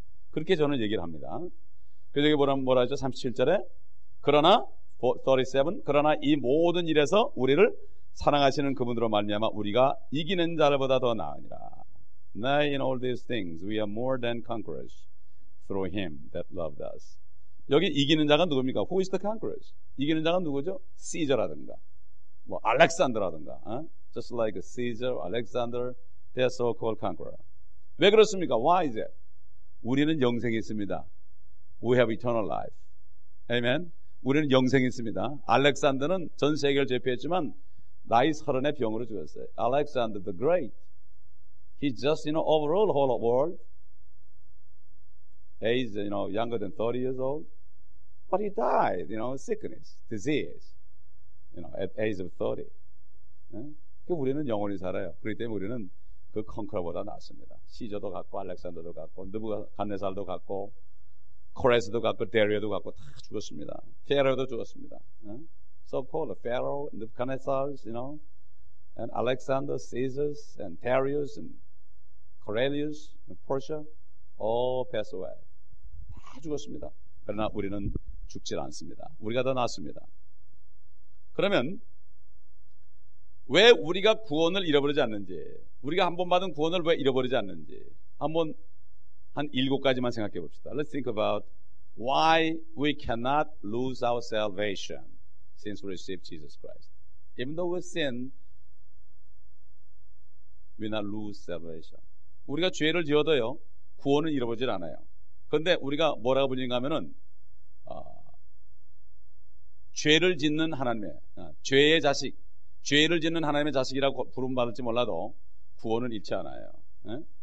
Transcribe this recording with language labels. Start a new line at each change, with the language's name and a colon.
Korean: 그렇게 저는 얘기를 합니다. 그래서 여기 보라면 뭐라 하죠? 37절에 그러나 37 그러나 이 모든 일에서 우리를 사랑하시는 그분으로 말미암아 우리가 이기는 자들보다 더 나으니라.
English: Now in all these things we are more than conquerors through him that loved us.
Korean: 여기 이기는 자가 누굽니까?
English: Who is the conquerors?
Korean: 이기는 자가 누구죠? Caesar라든가 뭐 Alexander라든가
English: Just like Caesar, Alexander they are so-called conqueror.
Korean: 왜 그렇습니까?
English: Why is it?
Korean: 우리는 영생이 있습니다.
English: We have eternal life. Amen.
Korean: 우리는 영생이 있습니다. 알렉산더는 전 세계를 제패했지만 나이 서른에 병으로 죽었어요.
English: Alexander the Great. He just, you know, overall whole world. He is, you know, younger than 30 years old. But he died, you know, sickness, disease, you know, at age of 30.
Korean: Yeah? 우리는 영원히 살아요. 그렇기 때문에 우리는 그 컨커러보다 낫습니다. 시저도 갖고, 알렉산더도 갖고, 느부갓네살도 갖고, 코레스도 갖고 데리에도 갖고 다 죽었습니다. 페레도 죽었습니다.
English: so-called Pharaoh, Nebuchadnezzar, you know, and Alexander, Caesar, and Darius, and Cornelius, and Persia, all passed away.
Korean: 다 죽었습니다. 그러나 우리는 죽질 않습니다. 우리가 더 낫습니다. 그러면 왜 우리가 구원을 잃어버리지 않는지, 우리가 한번 받은 구원을 왜 잃어버리지 않는지 한번 한 일곱 가지만 생각해 봅시다.
English: Let's think about why we cannot lose our salvation since we received Jesus Christ. Even though we sin, we not lose salvation.
Korean: 우리가 죄를 지어도요 구원을 잃어버리지 않아요. 그런데 우리가 뭐라고 불리는가 하면은 죄를 짓는 하나님의 죄의 자식, 죄를 짓는 하나님의 자식이라고 부름받을지 몰라도 구원은 잃지 않아요. 에?